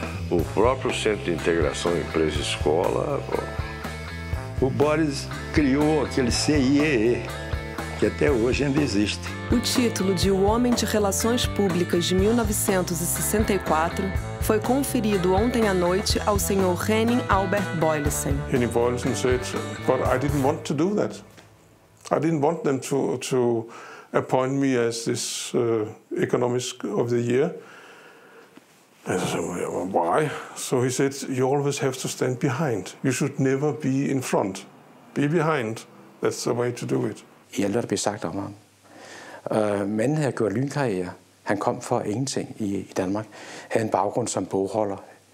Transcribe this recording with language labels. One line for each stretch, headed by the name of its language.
Portuguese: O próprio Centro de Integração Empresa Escola. O Boris criou aquele CIEE, que até hoje ainda existe. O título de O Homem de Relações Públicas de 1964 foi conferido ontem à noite ao senhor Henning Albert Boylesen.
English: Henning Boylesen said, but I didn't want to do that. I didn't want them to appoint me as this economist of the year. And I said, well, why? So he said, you always have to stand behind. You should never be in front. Be behind. That's the way to do it.
Danish: I alt der blev sagt om ham. Manden havde gjort lynkarriere. Han kom for ingenting i Danmark. Han havde en baggrund som bogholder.